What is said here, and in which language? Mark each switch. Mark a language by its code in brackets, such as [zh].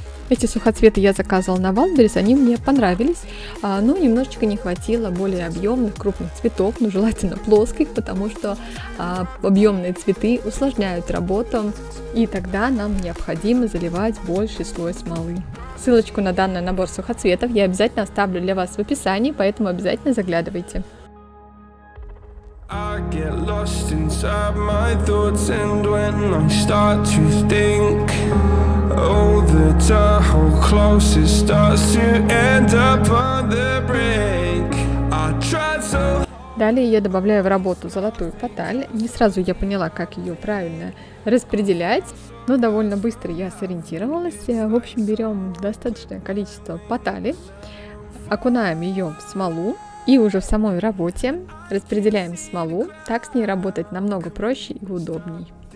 [ru] Эти сухоцветы я заказывала на Wildberries, они мне понравились, но немножечко не хватило более объемных крупных цветов, но желательно плоских, потому что объемные цветы усложняют работу, и тогда нам необходимо заливать больший слой смолы. Ссылочку на данный набор сухоцветов я обязательно оставлю для вас в описании, поэтому обязательно заглядывайте. [en] I get lost inside my thoughts, and when I start to think, oh, the tunnel closest starts to end up on the brink. I tried so. [ru] Далее я добавляю в работу золотую фаталь. Не сразу я поняла, как ее правильно распределять, но довольно быстро я сориентировалась. В общем, берем достаточное количество фатали, окунаем ее в смолу. И уже в самой работе распределяем смолу, так с ней работать намного проще и удобней.